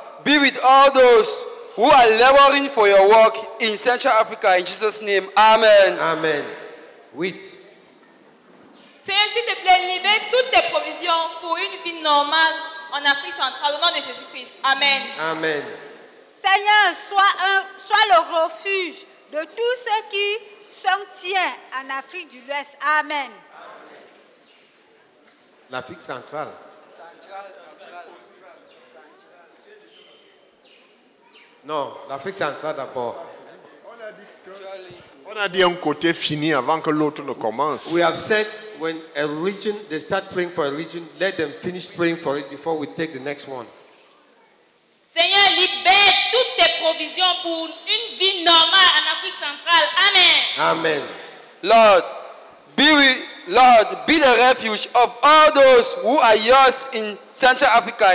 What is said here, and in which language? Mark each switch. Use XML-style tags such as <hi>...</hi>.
<en>be with all those who are laboring for your work in Central Africa, in Jesus' name. Amen. Amen. Wait.</en> <fr>Seigneur, s'il te plaît, libère toutes tes provisions pour une vie normale en Afrique centrale, au nom de Jésus-Christ. Amen. Amen. Seigneur, sois le refuge de tous ceux qui sont tiens en Afrique de l'Ouest. Amen. L'Afrique centrale. Non, l'Afrique centrale d'abord. On a dit un côté fini avant que l'autre ne commence.</fr> <en>We have said when a region, they start praying for a region, let them finish praying for it before we take the next one.</en> <fr>Seigneur, libère toutes tes provisions pour une vie normale en Afrique centrale. Amen. Amen.</fr> <en>Lord, be the refuge of all those who are yours in Central Africa.</en>